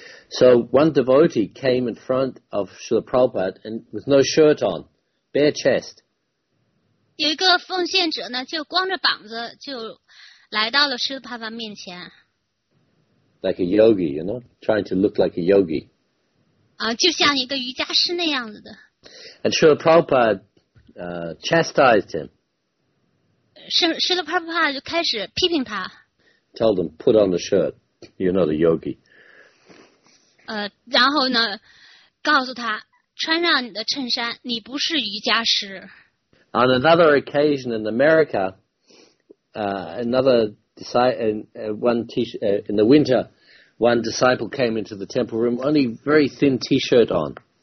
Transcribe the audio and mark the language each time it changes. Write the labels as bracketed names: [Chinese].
[English] So one devotee came in front of Srila Prabhupada and with no shirt on, bare chest. [Chinese] 有一个奉献者呢，就光着膀子就来到了师爸爸面前。 [English] Like a yogi, you know, trying to look like a yogi. [Chinese] 就像一个瑜伽师那样子的。 [English] And Srila Prabhupada, chastised him. [Chinese] 师爸爸就开始批评他。 [English] Told him, put on the shirt, you're not a yogi. [Chinese] 然后呢，告诉他，穿上你的衬衫，你不是瑜伽师。 [English] On another occasion in America, in the winter, one disciple came into the temple room, only very thin T-shirt on.